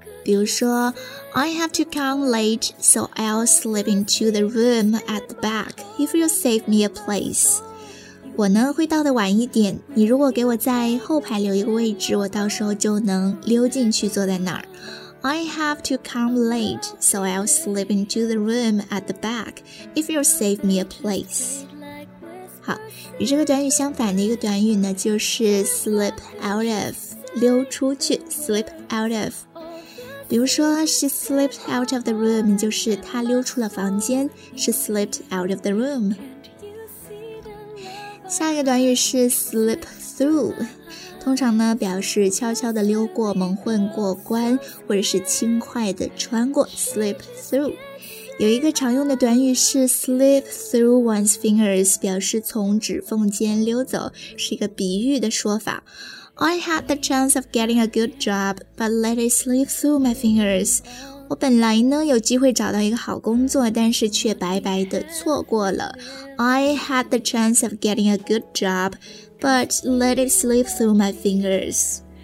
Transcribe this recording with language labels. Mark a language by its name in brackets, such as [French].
[Chinese] 比如说 [English] I have to come late, so I'll slip into the room at the back if you save me a place. [Chinese] 我呢会到的晚一点，你如果给我在后排留一个位置，我到时候就能溜进去坐在那儿。 [English] I have to come late, so I'll slip into the room at the back if you save me a place. [Chinese] 好，与这个短语相反的一个短语呢，就是 slip out of， 溜出去 slip out of。比如说 [English] ，she slipped out of the room， [Chinese] 就是她溜出了房间 [English] ，she slipped out of the room。 [Chinese] 下一个短语是 slip through， 通常呢表示悄悄的溜过、蒙混过关，或者是轻快的穿过 ，slip through。有一个常用的短语是 [English] slip through one's fingers， [Chinese] 表示从指缝间溜走，是一个比喻的说法。 [English] I had the chance of getting a good job, but let it slip through my fingers. [Chinese] 我本来呢有机会找到一个好工作，但是却白白的错过了。 [English] I had the chance of getting a good job, but let it slip through my fingers.